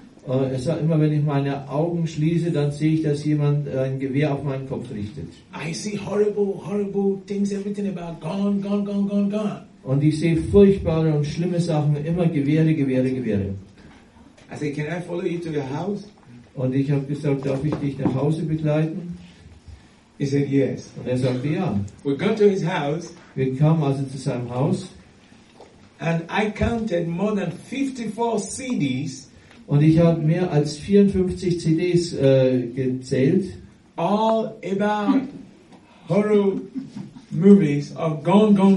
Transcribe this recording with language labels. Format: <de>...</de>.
<de>Er sagt, immer wenn ich meine Augen schließe, dann sehe ich, dass jemand ein Gewehr auf meinen Kopf richtet.</de> <en>I see horrible things, everything about gone.</en> <de>Und ich sehe furchtbare und schlimme Sachen, immer Gewehre.</de> <en>I said, can I follow you to your house?</en> <de>Und ich habe gesagt, darf ich dich nach Hause begleiten?</de> <en>He said, yes.</en> <de>Und er sagte, ja.</de> <en>We got to his house.</en> <de>Wir kamen also zu seinem Haus.</de> <en>And I counted more than 54 CDs.</en> <de>Und ich habe mehr als 54 CDs gezählt.</de> <en>All about horror movies of gone.</en>